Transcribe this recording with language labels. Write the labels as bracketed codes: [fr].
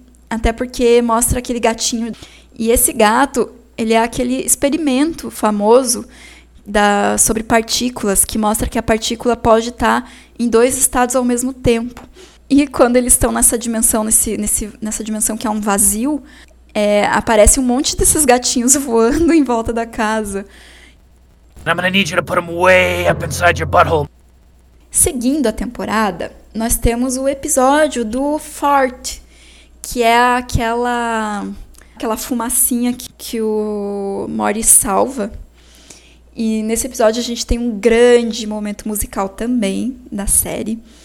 [pt] Até porque mostra aquele gatinho. E esse gato, ele é aquele experimento famoso sobre partículas, que mostra que a partícula pode estar em dois estados ao mesmo tempo. E quando eles estão nessa dimensão, nessa dimensão que é um vazio, aparece um monte desses gatinhos voando em volta da casa. [en] I'm gonna need you to put them way up inside your butthole. [pt] Seguindo a temporada, nós temos o episódio do Fart, que é aquela fumacinha que o Mori salva. E nesse episódio a gente tem um grande momento musical também da série.